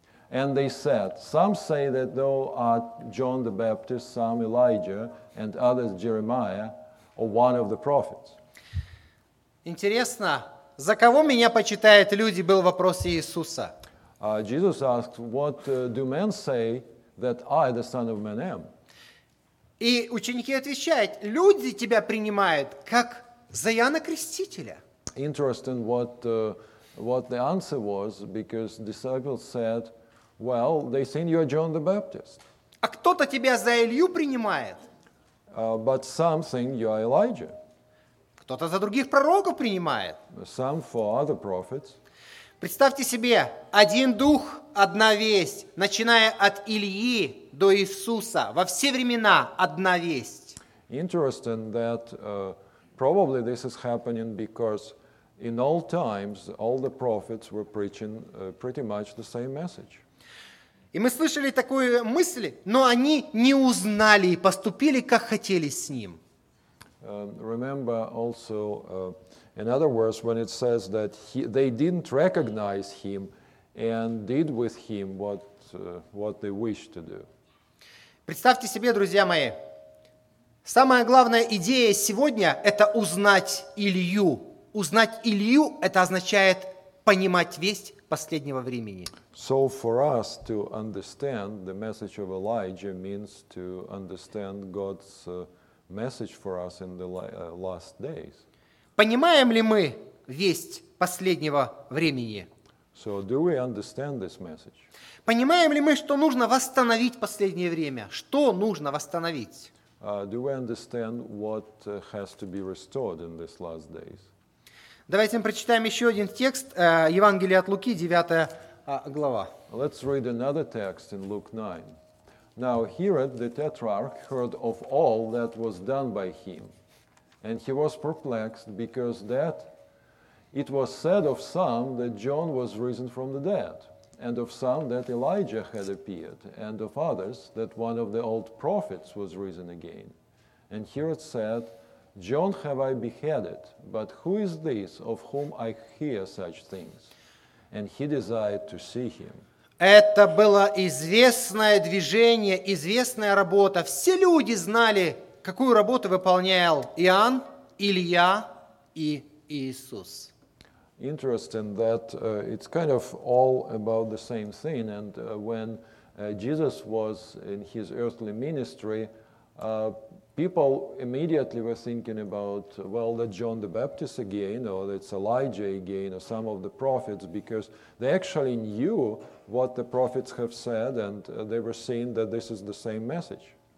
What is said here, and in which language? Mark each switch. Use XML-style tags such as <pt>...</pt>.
<en>And they said, some say that thou art John the Baptist, some Elijah, and others Jeremiah, or one of the prophets.</en> <ru>Интересно, за кого меня почитают люди, был вопрос Иисуса.</ru> <en>Jesus asked, what do men say that I, the Son of Man, am?</en> <ru>И ученики отвечают, люди тебя принимают, как за Иоанна Крестителя.</ru> <en>Interesting what the answer was, because disciples said, well, they think you are John the Baptist.</en> <ru>А кто-то тебя за Илью принимает.</ru> <en>But some think you are Elijah.</en> <ru>Кто-то за других пророков принимает.</ru> <en>Some for other prophets.</en> <ru>Представьте себе, один дух, одна весть, начиная от Ильи до Иисуса, во все времена одна весть.</ru> <en>Interesting that probably this is happening because in all times all the prophets were preaching pretty much the same message.</en> <ru>И мы слышали такую мысль, но они не узнали и поступили, как хотели с ним.</ru> <en>Remember also another verse when it says that they didn't recognize him and did with him what they wished to do.</en> <ru>Представьте себе, друзья мои, самая главная идея сегодня – это узнать Илью. Узнать Илью – это означает понимать весть последнего времени.</ru> <en>So for us to understand the message of Elijah means to understand God's message for us in the last days.</en> <ru>Понимаем ли мы весть последнего времени?</ru> <en>So do we understand this message?</en> <ru>Понимаем ли мы, что нужно восстановить последнее время? Что нужно восстановить?</ru> <en>Do we understand what has to be restored in these last days?</en> <ru>Давайте мы прочитаем еще один текст Евангелия от Луки, 9 глава.</ru> <en>Let's read another text in Luke 9. Now Herod the Tetrarch heard of all that was done by him, and he was perplexed because that it was said of some that John was risen from the dead, and of some that Elijah had appeared, and of others that one of the old prophets was risen again. And Herod said, John have I beheaded, but who is this of whom I hear such things? And he desired to see him.</en> <ru>Это было известное движение, известная работа. Все люди знали, какую работу выполнял Иоанн, Илья и Иисус?</ru> <en>Interesting that it's kind of all about the same thing. And when Jesus was in his earthly ministry, people immediately were thinking about, well, that John the Baptist again, or that's Elijah again, or some of the prophets, because they actually knew what the prophets have said, and they were seeing that this is the same message.</en>